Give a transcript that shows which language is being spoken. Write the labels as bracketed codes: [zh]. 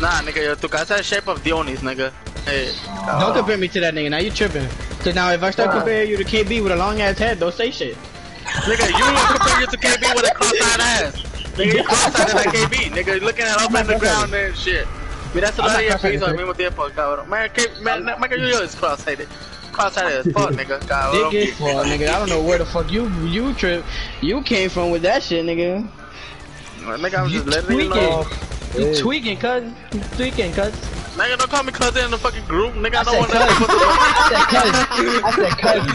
[en] Nah, nigga, yo, [es] tu cabeza [en] is the shape of Dionys, nigga. Hey. Oh. Don't compare me to that nigga, now you tripping. So now if I start comparing you to KB with a long ass head, don't say shit. Nigga, you don't compare you to KB with a cross-eyed ass. Nigga, you cross-eyed like KB, nigga, looking at up at the ground and shit. [es] Mira su lado y el piso al mismo tiempo, cabrón. [en] Michael, you know it's cross-eyed. Cross-eyed as fuck, nigga. Well, nigga, I don't know where the fuck you trip. You came from with that shit, nigga. Nigga, I'm just letting you know. You tweaking, cuz. Nigga, don't call me cousin in the fucking group. Nigga, I don't want that. I said cuz.